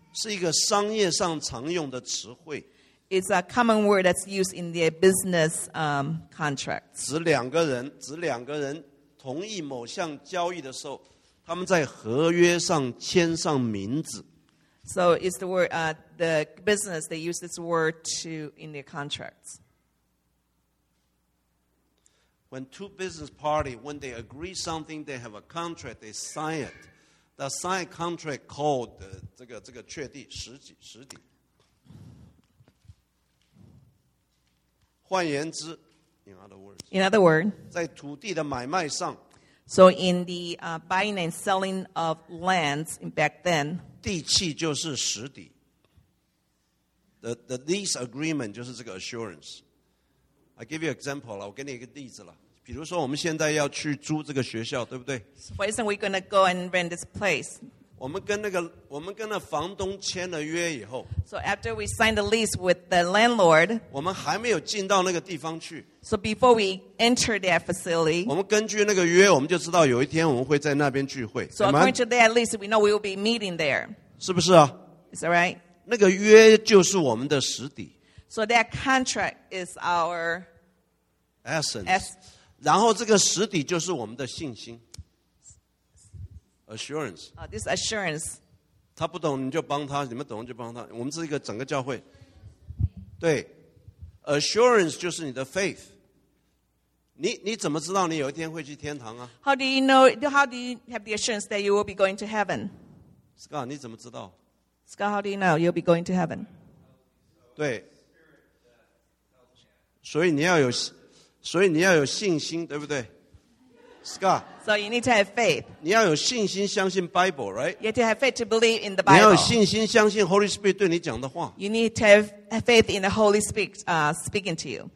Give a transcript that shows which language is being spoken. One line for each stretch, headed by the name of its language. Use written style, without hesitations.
Chinese: 是一个商业上常用的词汇。
English: It's a common word that's used in their business contracts.
Chinese: 指两个人 同意某项交易的时候， 他们在合约上签上名字。
English: So it's the word the business they use this word to in their contracts. When two business parties, when they agree something, they have a contract, they sign it. The signed contract called
Chinese: 这个确定实底。换言之,
English: in other words,
Chinese: 在土地的买卖上,
English: so in the buying and selling of lands back then,
Chinese: 地契就是实底,
English: the lease agreement
Chinese: 就是这个 assurance.
English: I give you an example,
Chinese: 我给你一个例子了, 比如说我们现在要去租这个学校, 对不对?
English: So for instance, we're going to go and rent this place.
Chinese: 我们跟那房东签了约以后,
English: so after we signed the lease with the landlord,
Chinese: 我们还没有进到那个地方去,
English: so before we enter that facility,
Chinese: 我们根据那个约, 我们就知道有一天我们会在那边聚会,
English: so according to that lease, we know we will be meeting there.
Chinese: 是不是啊?
English: Is that right?
Chinese: 那个约就是我们的实底,
English: so that contract is our essence.
Chinese: 然后这个实底就是我们的信心, assurance.
English: This assurance.
Chinese: 他不懂你就帮他, 你们懂就帮他, 我们是一个整个教会, 对, assurance 就是你的 faith. 你怎么知道你有一天会去天堂啊?
English: How do you know, how do you have the assurance that you will be going to heaven?
Chinese: Scott, 你怎么知道?
English: Scott, how do you know you'll be going to heaven?
Chinese: 对, 所以你要有信心, 对不对?
English: Scott, so you need to have faith.
Chinese: 你要有信心相信 Bible, right?
English: You have to have faith to believe in the Bible.
Chinese: 你要有信心相信 Holy Spirit 对你讲的话。
English: You need to have faith in the Holy Spirit speaking to you.